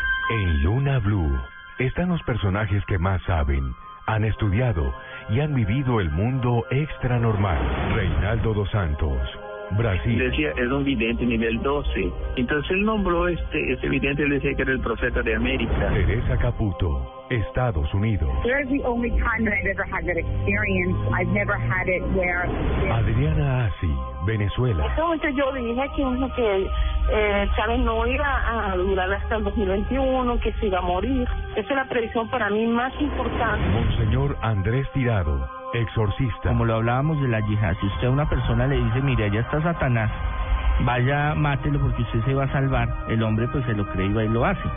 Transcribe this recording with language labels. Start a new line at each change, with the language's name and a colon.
Spanish: En Luna BLU están los personajes que más saben, han estudiado y han vivido el mundo extranormal. Reinaldo dos Santos, Brasil. Decía, es un vidente nivel 12. Entonces él nombró este vidente, él decía que era el profeta de América. Teresa Caputo, Estados Unidos.
English: There's the only time that I've ever had that experience. I've never had it where.
Spanish: Adriana Assi, Venezuela. Entonces yo dije que uno que sabe no iba a durar hasta el 2021, que se iba a morir. Esa es la predicción para mí más importante. Monseñor Andrés Tirado, exorcista. Como lo hablábamos de la yihad, si usted a una persona le dice, mire, allá está Satanás, vaya, mátelo porque usted se va a salvar, el hombre pues se lo cree y va y lo hace.